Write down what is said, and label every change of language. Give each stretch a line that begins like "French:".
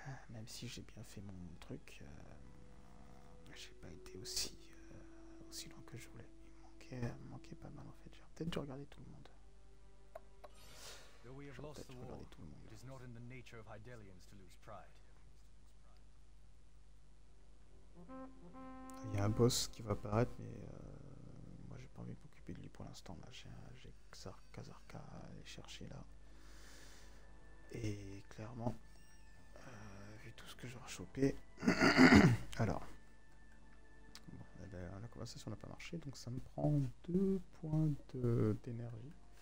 French: Même si j'ai bien fait mon truc, j'ai pas été aussi loin que je voulais. Il manquait pas mal en fait. J'ai peut-être dû regarder tout le monde.
English: Though we have lost the war, it is not in the nature of Hydellians to lose pride.
French: Il y a un boss qui va apparaître, mais moi j'ai pas envie de m'occuper de lui pour l'instant. Là, j'ai Kazarka à aller chercher là. Et clairement, vu tout ce que j'aurai chopé, alors, bon, la conversation n'a pas marché, donc ça me prend 2 points d'énergie.